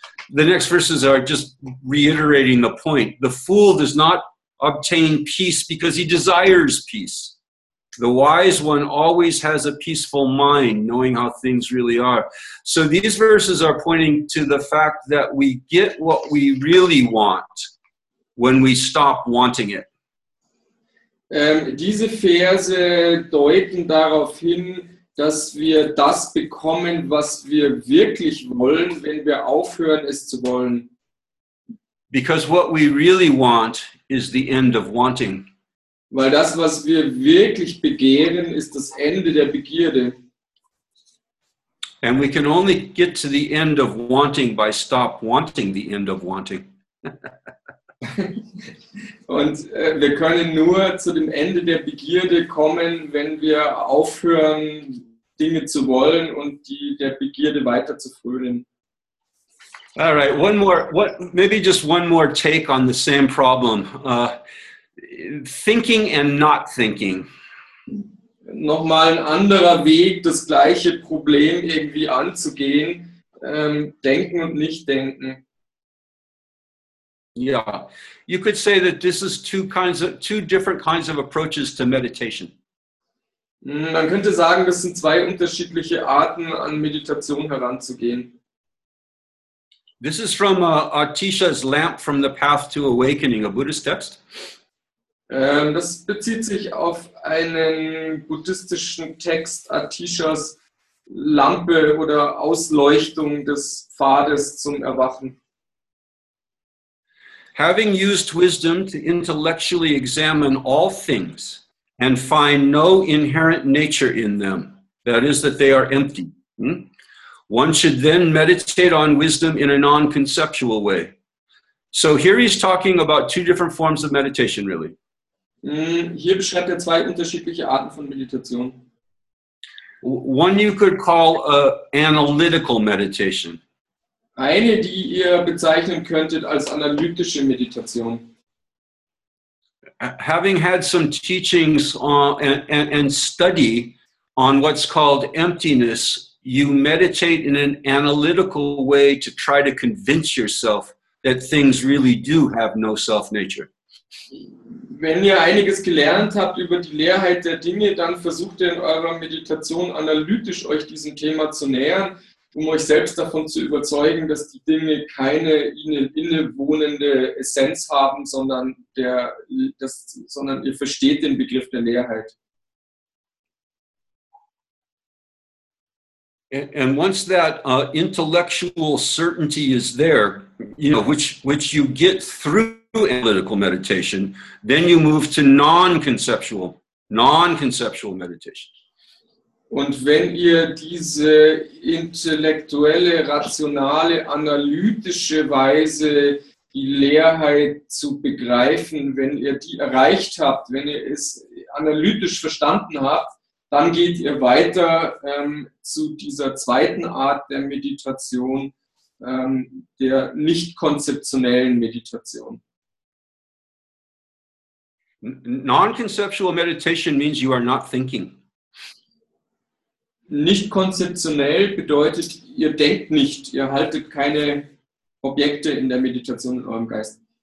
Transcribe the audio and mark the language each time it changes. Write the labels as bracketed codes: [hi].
[en] The next verses are just reiterating the point. The fool does not obtain peace because he desires peace. The wise one always has a peaceful mind, knowing how things really are. So these verses are pointing to the fact that we get what we really want when we stop wanting it. [de] Diese Verse deuten darauf hin, dass wir das bekommen, was wir wirklich wollen, wenn wir aufhören, es zu wollen. [en] Because what we really want is the end of wanting. [de] Weil das, was wir wirklich begehren, ist das Ende der Begierde. [en] And we can only get to the end of wanting by stop wanting the end of wanting. [de] Und wir können nur zu dem Ende der Begierde kommen, wenn wir aufhören, Dinge zu wollen und die der Begierde weiter zu frönen. [en] All right, one more, what, maybe just one more take on the same problem. Thinking and not thinking. [de] Nochmal ein anderer Weg, das gleiche Problem irgendwie anzugehen. Denken und nicht denken. [en] Yeah, you could say that this is two different kinds of approaches to meditation. [de] Man könnte sagen, das sind zwei unterschiedliche Arten, an Meditation heranzugehen. [en] This is from Atisha's Lamp from the Path to Awakening, a Buddhist text. [de] Das bezieht sich auf einen buddhistischen Text, Atishas Lampe oder Ausleuchtung des Pfades zum Erwachen. [en] Having used wisdom to intellectually examine all things and find no inherent nature in them, that is, that they are empty, one should then meditate on wisdom in a non-conceptual way. So here he's talking about two different forms of meditation, really. [de] Hier beschreibt er zwei unterschiedliche Arten von Meditation. [en] One you could call analytical meditation. [de] Eine, die ihr bezeichnen könntet als analytische Meditation. [en] Having had some teachings and study on what's called emptiness, you meditate in an analytical way to try to convince yourself that things really do have no self-nature. [de] Wenn ihr einiges gelernt habt über die Leerheit der Dinge, dann versucht ihr in eurer Meditation analytisch euch diesem Thema zu nähern, um euch selbst davon zu überzeugen, dass die Dinge keine ihnen innewohnende Essenz haben, sondern ihr versteht den Begriff der Leerheit. [en] And once that intellectual certainty is there, you know, which you get through analytical meditation, then you move to non-conceptual meditation. [de] Und wenn ihr diese intellektuelle, rationale, analytische Weise, die Leerheit zu begreifen, wenn ihr die erreicht habt, wenn ihr es analytisch verstanden habt, dann geht ihr weiter zu dieser zweiten Art der Meditation, der nicht-konzeptionellen Meditation. [en] Non-conceptual meditation means you are not thinking. [de] Nicht konzeptionell bedeutet, ihr denkt nicht, ihr haltet keine Objekte in der Meditation in eurem Geist.